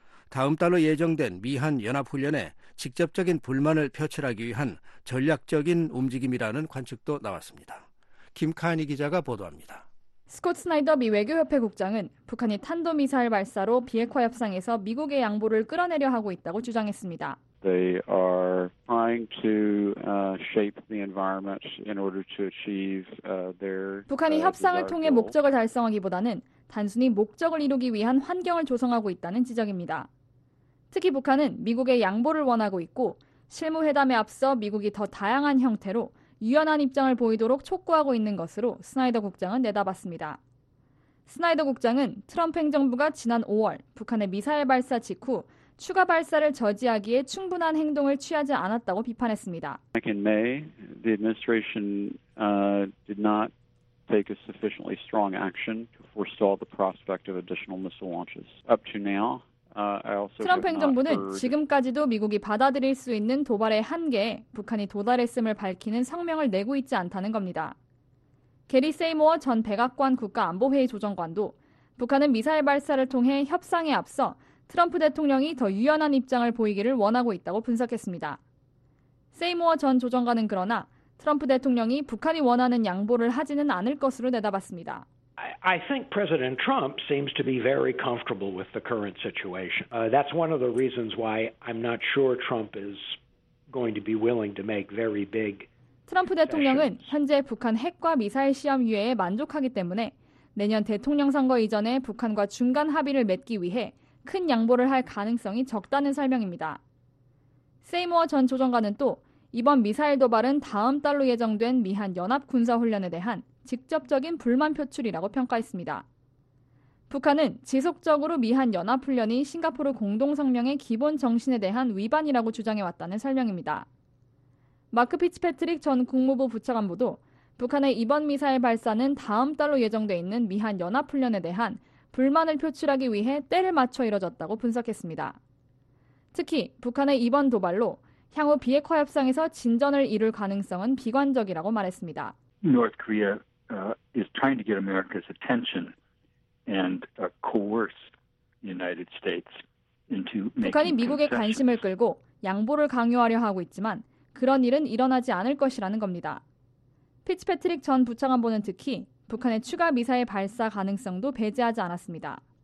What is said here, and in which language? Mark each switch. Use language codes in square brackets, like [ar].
[ko] 다음 달로 예정된 미한 연합훈련에 직접적인 불만을 표출하기 위한 전략적인 움직임이라는 관측도 나왔습니다. 김카니 기자가 보도합니다. 스콧 스나이더 미 외교협회 국장은 북한이 탄도미사일 발사로 비핵화 협상에서 미국의 양보를 끌어내려 하고 있다고 주장했습니다. [en] They are trying to shape the environment in order to achieve their [ko] 북한이 협상을 통해 목적을 달성하기보다는 단순히 목적을 이루기 위한 환경을 조성하고 있다는 지적입니다. 특히 북한은 미국의 양보를 원하고 있고 실무 회담에 앞서 미국이 더 다양한 형태로 유연한 입장을 보이도록 촉구하고 있는 것으로 스나이더 국장은 내다봤습니다. 스나이더 국장은 트럼프 행정부가 지난 5월 북한의 미사일 발사 직후 추가 발사를 저지하기에 충분한 행동을 취하지 않았다고 비판했습니다. [en] Back in May, the administration did not take a sufficiently strong action to forestall the prospect of additional missile launches. Up to now, [ko] 트럼프 행정부는 지금까지도 미국이 받아들일 수 있는 도발의 한계에 북한이 도달했음을 밝히는 성명을 내고 있지 않다는 겁니다. 게리 세이모어 전 백악관 국가안보회의 조정관도 북한은 미사일 발사를 통해 협상에 앞서 트럼프 대통령이 더 유연한 입장을 보이기를 원하고 있다고 분석했습니다. 세이모어 전 조정관은 그러나 트럼프 대통령이 북한이 원하는 양보를 하지는 않을 것으로 내다봤습니다. [en] I think President Trump seems to be very comfortable with the current situation. That's one of the reasons why I'm not sure Trump is going to be willing to make very big. [ko] 트럼프 대통령은 현재 북한 핵과 미사일 시험 유예에 만족하기 때문에 내년 대통령 선거 이전에 북한과 중간 합의를 맺기 위해 큰 양보를 할 가능성이 적다는 설명입니다. 세이모어 전 조정관은 또 이번 미사일 도발은 다음 달로 예정된 미한 연합 군사 훈련에 대한 직접적인 불만 표출이라고 평가했습니다. 북한은 지속적으로 미한 연합훈련이 싱가포르 공동성명의 기본 정신에 대한 위반이라고 주장해왔다는 설명입니다. 마크 피츠패트릭 전 국무부 부차관보도 북한의 이번 미사일 발사는 다음 달로 예정돼 있는 미한 연합훈련에 대한 불만을 표출하기 위해 때를 맞춰 이뤄졌다고 분석했습니다. 특히 북한의 이번 도발로 향후 비핵화 협상에서 진전을 이룰 가능성은 비관적이라고 말했습니다. [en] North Korea is trying to get America's attention and coerce the United States into making [ko] 북한이 미국의 관심을 끌고 양보를 강요하려 하고 있지만 그런 일은 일어나지 않을 것이라는 겁니다. 피츠패트릭 전 부차관보는 특히 북한의 추가 미사일 발사 가능성도 배제하지 않았습니다.